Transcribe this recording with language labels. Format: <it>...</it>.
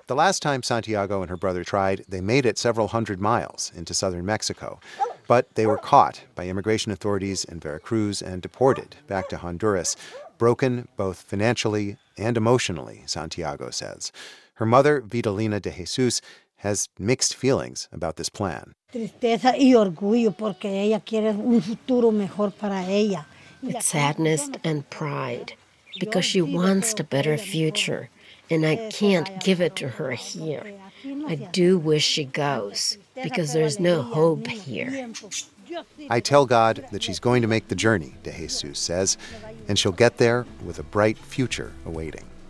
<en>The last time Santiago and her brother tried, they made it several hundred miles into southern Mexico. But they were caught by immigration authorities in Veracruz and deported back to Honduras, broken both financially and emotionally, Santiago says. Her mother, Vitalina de Jesus, has mixed feelings about this plan.</en> <es>Tristeza y orgullo porque ella quiere un futuro mejor para ella.</es> <en>It's sadness and pride because she wants a better future, and I can't give it to her here. I do wish she goes, because there's no hope here. I tell God that she's going to make the journey, De Jesus says, and she'll get there with a bright future awaiting.</en>